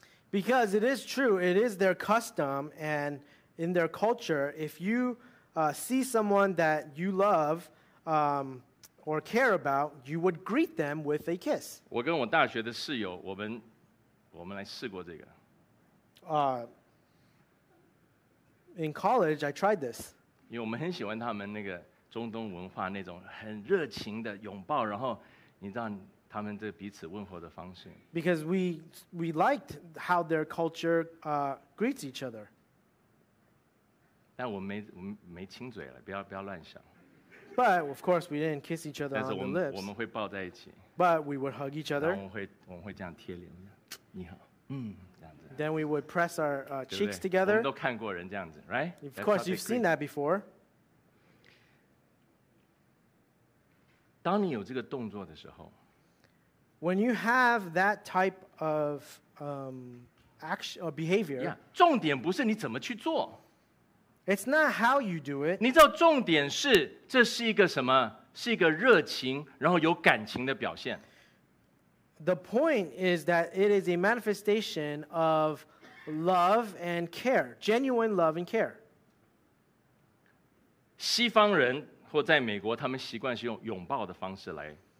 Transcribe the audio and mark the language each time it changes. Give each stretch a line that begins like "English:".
English: Because it is true, it is their custom and in their culture, if you see someone that you love or care about, you would greet them with a kiss.
Chinese: 我跟我大学的室友，我们来试过这个。
English: In college, I tried this.
Chinese: 因为我们很喜欢他们那个中东文化那种很热情的拥抱，然后你知道他们这彼此问候的方式。
English: Because we liked how their culture greets each other.
Chinese: 但我没亲嘴了，不要乱想。
English: But of course, we didn't kiss each other on the lips.
Chinese: 但是我们会抱在一起。
English: But we would hug each other.
Chinese: 我们会这样贴脸，你好，这样子。
English: Then we would press our cheeks together.
Chinese: 我们都看过人这样子，
English: right? Of course, you've seen that before.
Chinese: 当你有这个动作的时候。
English: When you have that type of action or behavior, yeah,
Chinese: 重点不是你怎么去做。
English: It's not how you do it.
Chinese: 你知道重点是这是一个什么？是一个热情，然后有感情的表现。
English: The point is that it is a manifestation of love and care, genuine love and care.
Chinese: 西方人或在美国，他们习惯是用拥抱的方式来。